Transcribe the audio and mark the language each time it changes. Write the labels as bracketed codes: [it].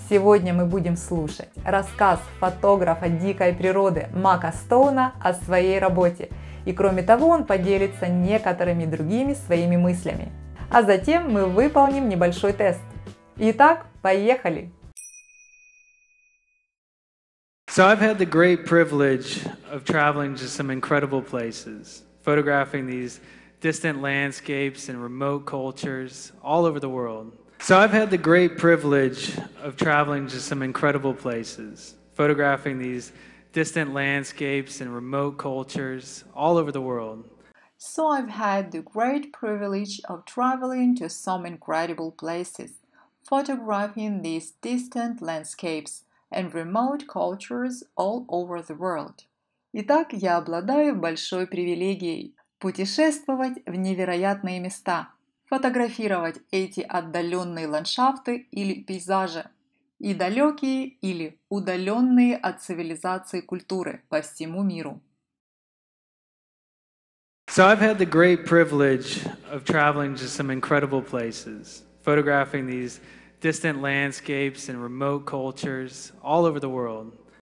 [ru] Сегодня мы будем слушать рассказ фотографа дикой природы Мака Стоуна о своей работе. И кроме того, он поделится некоторыми другими своими мыслями. А затем мы выполним небольшой тест. Итак, поехали! [en] So I've had the great privilege of traveling to some incredible places, photographing these distant landscapes and remote cultures all over the world. So I've had the great privilege of traveling to some incredible places, photographing these distant landscapes and remote cultures all over the world. So I've had the great privilege of traveling to some incredible places, photographing these distant landscapes and remote cultures all over the world. [ru] Итак, я обладаю большой привилегией путешествовать в невероятные места, фотографировать эти отдаленные ландшафты или пейзажи, и далекие или удаленные от цивилизации культуры по всему миру. [en] So I've had the great privilege of traveling to some incredible places, photographing these distant landscapes and remote cultures all over the world.